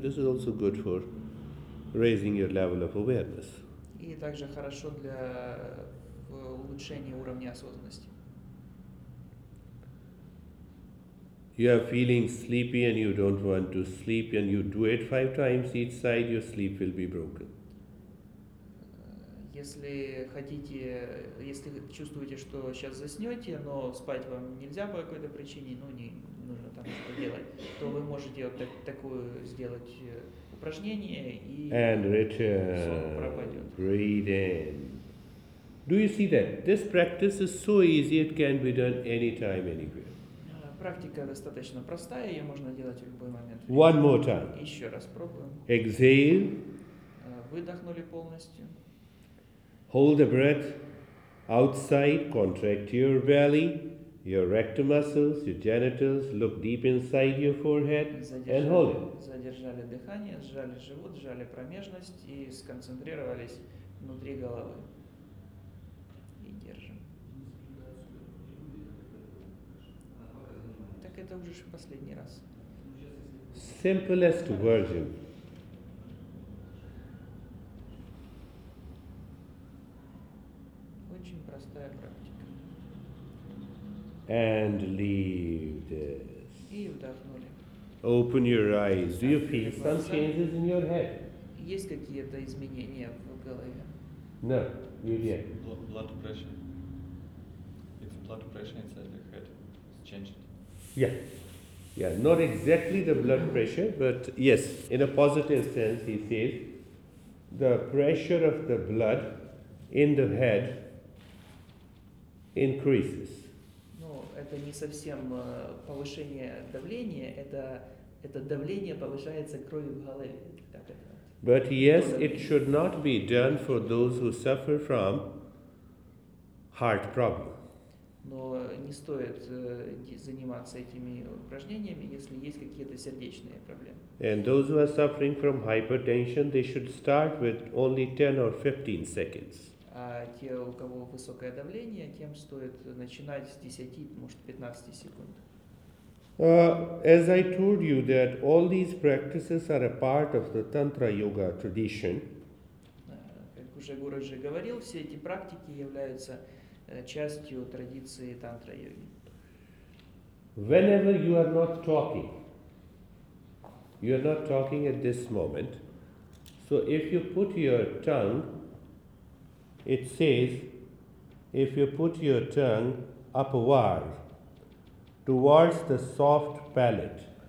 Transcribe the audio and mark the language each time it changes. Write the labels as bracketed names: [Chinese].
[English] This is also good for raising your level of awareness. [Russian] И также хорошо для улучшения уровня осознанности. [English] You are feeling sleepy and you don't want to sleep and you do it 5 times each side, your sleep will be broken. [Russian] Если хотите, если чувствуете, что сейчас заснете, но спать вам нельзя по какой-то причине, ну не нужно там что делать, то вы можете вот такое сделать упражнение и сон пропадет. [English] Breathe in. Do you see that? This practice is so easy, it can be done anytime, anywhere. [Russian] Практика достаточно простая, ее можно делать в любой момент. [English] One more time. [Russian] Еще раз пробуем. [English] Exhale. [Russian] Выдохнули полностью. [English] Hold the breath outside, contract your belly, Your rectum muscles, your genitals, look deep inside your forehead and hold it. [Russian] Задержали дыхание, сжали живот, сжали промежность и сконцентрировались внутри головы. И держим. Так это уже последний раз. [English] Simplest version. [Russian] Очень простая практика. [English] And leave this. [Russian] И вдохнули. [English] Open your eyes. Do you feel some changes in your head? [Russian] Есть какие-то изменения в голове? [English] No, you didn't. Blood pressure. It's blood pressure inside your head. It's changed. Yeah. Yeah, not exactly the blood pressure, but yes, in a positive sense, he says, the pressure of the blood in the head increases. [Russian] Ну, это не совсем повышение давления, это давление повышается кровью в голове. [English] But yes, it should not be done for those who suffer from heart problems. [Russian] Но не стоит заниматься этими упражнениями, если есть какие-то сердечные проблемы. [English] And those who are suffering from hypertension, they should start with only 10 or 15 seconds. [Russian] А те, у кого высокое давление, тем стоит начинать с 10, может, 15 секунд. [English] As I told you that all these practices are a part of the Tantra Yoga tradition. [Russian] Как уже Гуруджи говорил, все эти практики являются частью традиции тантра-йоги. [English] Whenever you are not talking at this moment, so if you put your tongue, it says, if you put your tongue upward, towards the soft palate,